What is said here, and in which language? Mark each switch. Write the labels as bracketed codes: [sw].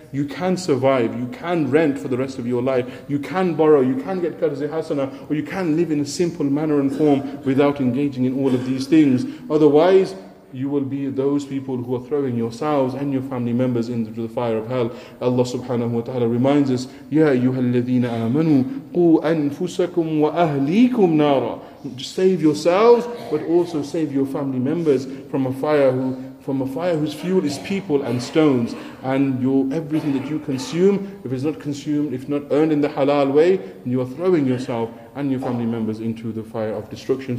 [en] You can survive, you can rent for the rest of your life, you can borrow, you can get qarz-e hasana, or you can live in a simple manner and form without engaging in all of these things. Otherwise, you will be those people who are throwing yourselves and your family members into the fire of hell. Allah subhanahu wa ta'ala reminds us, [ar] يَا أَيُّهَا الَّذِينَ آمَنُوا قُوا أَنفُسَكُمْ وَأَهْلِيكُمْ نَارًا. [en] Save yourselves, but also save your family members from a fire who, from a fire whose fuel is people and stones, and your everything that you consume, if it's not consumed, if not earned in the halal way, you are throwing yourself and your family members into the fire of destruction.